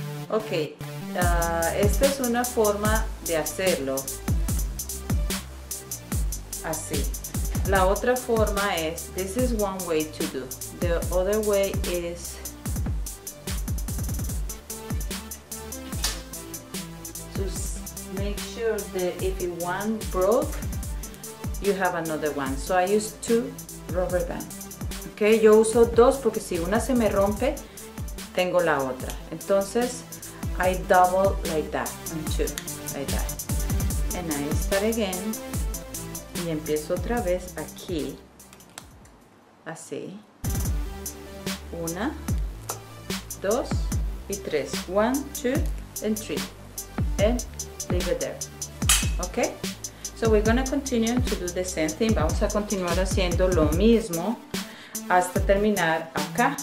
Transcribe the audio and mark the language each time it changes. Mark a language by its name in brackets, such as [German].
[Spanish] Ok, esta es una forma de hacerlo así. La otra forma es, [English] this is one way to do. The other way is, to make sure that if one broke, you have another one. So I use two rubber bands. [Spanish] Ok, yo uso dos porque si una se me rompe, tengo la otra. [English] Entonces, I double like that, and two, like that. And I start again, [Spanish] y empiezo otra vez aquí, así. Una, dos, y tres. [English] One, two, and three. And leave it there. Okay? So we're gonna continue to do the same thing. [Spanish] Vamos a continuar haciendo lo mismo hasta terminar acá.